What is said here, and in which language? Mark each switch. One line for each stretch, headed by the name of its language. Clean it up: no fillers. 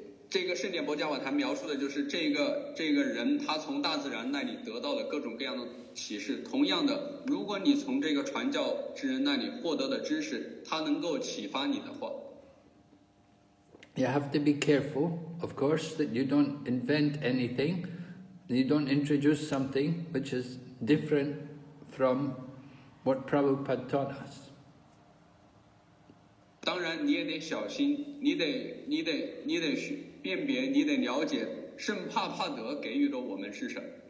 Chinese: 这个圣典博迦瓦坛描述的就是这个人，他从大自然那里得到了各种各样的启示。同样的，如果你从这个传教之人那里获得的知识，他能够启发你的话。
English: You have to be careful, of course, that you don't invent anything, you don't introduce something which is different from what Prabhupada taught us.
Chinese: 当然你也得小心，你得辨别，你得了解圣帕帕德给予的我们是什么。